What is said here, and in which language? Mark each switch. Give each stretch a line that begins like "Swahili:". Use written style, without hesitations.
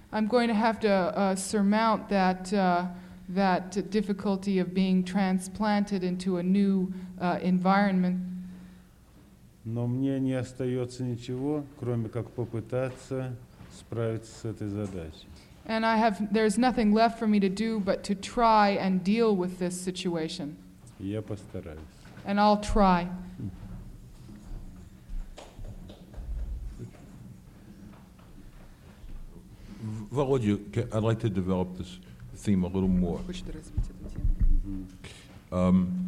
English: I'm going to have to surmount that difficulty of being transplanted into a new environment.
Russian: Но мне не остается ничего, кроме как попытаться справиться с этой задачей.
English: And there's nothing left for me to do but to try and deal with this situation.
Russian: Я постараюсь.
English: And I'll try. Володя, I'd like to develop this theme a little more.
Russian: Хочется развить эту тему.